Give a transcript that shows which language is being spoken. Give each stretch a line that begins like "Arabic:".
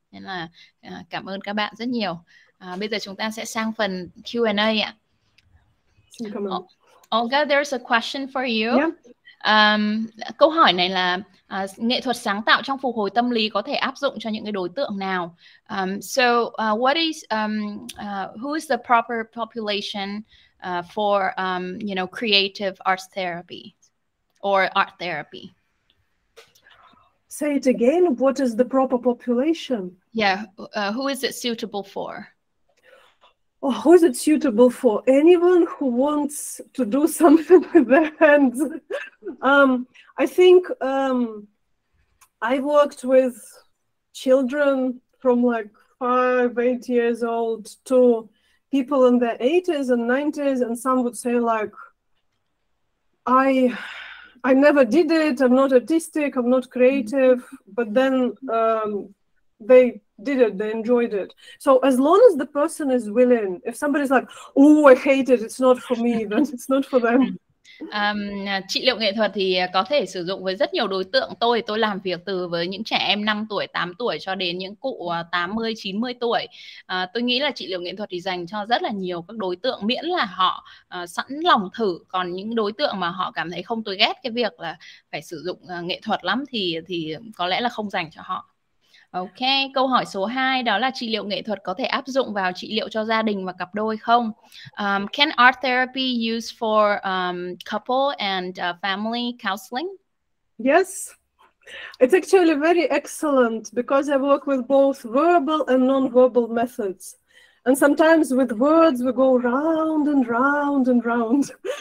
Vietnamese: Nên là cảm ơn các bạn rất nhiều. Bây giờ chúng ta sẽ sang phần Q&A ạ. Xin cảm ơn.
English: Olga, there's a question for you. Yeah.
Vietnamese: Câu hỏi này là nghệ thuật sáng tạo trong phục hồi tâm lý có thể áp dụng cho những cái đối tượng nào?
English: Who is the proper population for you know, creative arts therapy or art therapy? Say it again. What is the proper population? Yeah, who is it suitable for? Oh, who is it suitable for? Anyone who wants to do something with their hands. I think I've worked with children from like 5, 8 years old to people in their 80s and 90s, and some would say like, I never did it, I'm not artistic, I'm not creative, but then they did it, they enjoyed it. So as long as the person is willing, if somebody's like, oh, I hate it, it's not for me, then it's not for them.
Vietnamese: Trị liệu nghệ thuật thì có thể sử dụng với rất nhiều đối tượng. Tôi làm việc từ với những trẻ em 5 tuổi, 8 tuổi cho đến những cụ 80, 90 tuổi. Tôi nghĩ là trị liệu nghệ thuật thì dành cho rất là nhiều các đối tượng, miễn là họ sẵn lòng thử. Còn những đối tượng mà họ cảm thấy không, tôi ghét cái việc là phải sử dụng nghệ thuật lắm thì có lẽ là không dành cho họ. Ok, câu hỏi số 2 đó là trị liệu nghệ thuật có thể áp dụng vào trị liệu cho gia đình và cặp đôi không?
English: Can art therapy use for couple and family counseling? Yes, it's actually very excellent because I work with both verbal and non-verbal methods. And sometimes with words we go round and round and round.